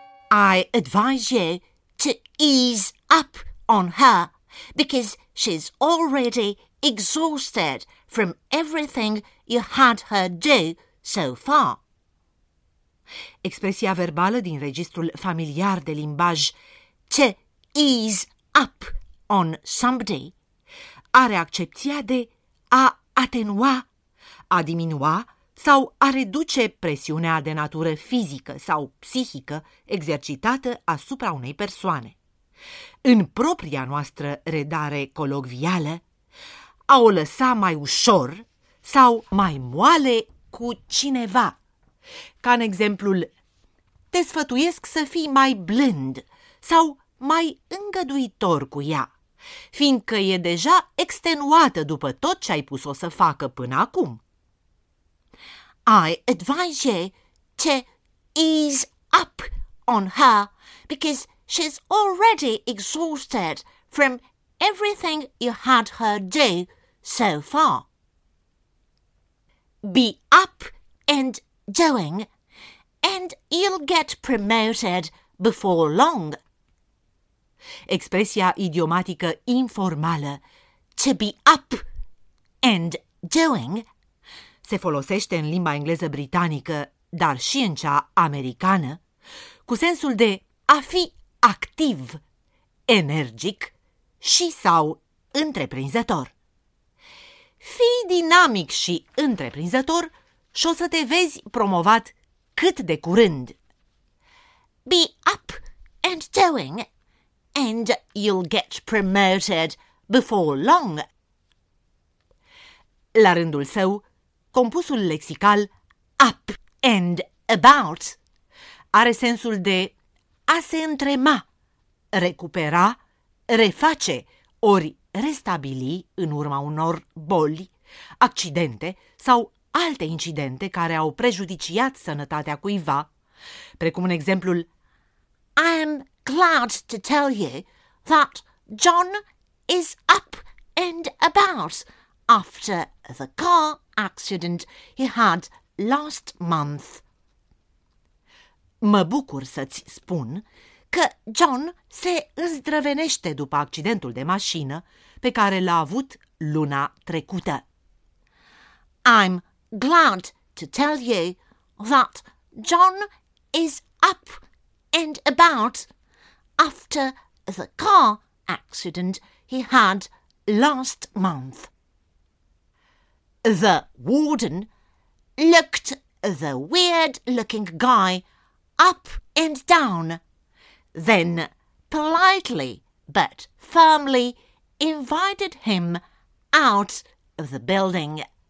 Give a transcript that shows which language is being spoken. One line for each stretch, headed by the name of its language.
English: I advise you to ease up on her, because she's already exhausted from everything you had her do so far.
Romanian: Expresia verbală din registrul familiar de limbaj
English: to ease up on somebody
Romanian: are accepția de a atenua, a diminua sau a reduce presiunea de natură fizică sau psihică exercitată asupra unei persoane. În propria noastră redare colocvială, a o lăsa mai ușor sau mai moale cu cineva. Ca în exemplul, te sfătuiesc să fii mai blând sau mai îngăduitor cu ea, fiindcă e deja extenuată după tot ce ai pus-o să facă până acum.
English: I advise you to ease up on her because she's already exhausted from everything you had her do so far. Be up and doing, and you'll get promoted before long.
Romanian: Expresia idiomatică informală
English: to be up and doing
Romanian: se folosește în limba engleză britanică, dar și în cea americană, cu sensul de a fi activ, energic și sau întreprinzător. Fii dinamic și întreprinzător și o să te vezi promovat cât de curând.
English: Be up and doing and you'll get promoted before long.
Romanian: La rândul său, compusul lexical up and about are sensul de a se întrema, recupera, reface, ori restabili în urma unor boli, accidente sau alte incidente care au prejudiciat sănătatea cuiva, precum în exemplul
English: I am glad to tell you that John is up and about after the car accident he had last month.
Romanian: Mă bucur să-ți spun că John se îndrăvenește după accidentul de mașină pe care l-a avut luna trecută.
English: I'm glad to tell you that John is up and about after the car accident he had last month. The warden looked the weird-looking guy up and down, then politely but firmly invited him out of the building.